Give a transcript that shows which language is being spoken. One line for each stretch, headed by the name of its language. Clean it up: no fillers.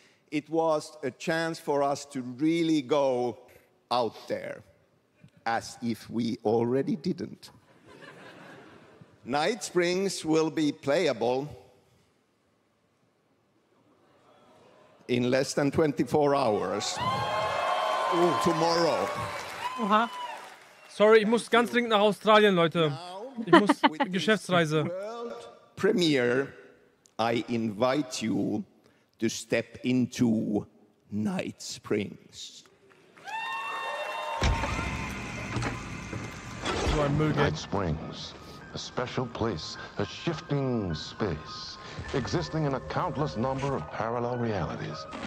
English: It was a chance for us to really go out there. As if we already didn't. Night Springs will be playable in less than 24 hours. Ooh, tomorrow. Oha.
German: Sorry, ich muss ganz dringend nach Australien, Leute. Ich muss Geschäftsreise.
English: World premiere, I invite you to step into Night Springs. Night Springs, a special place, a shifting space, existing in a countless number of parallel realities.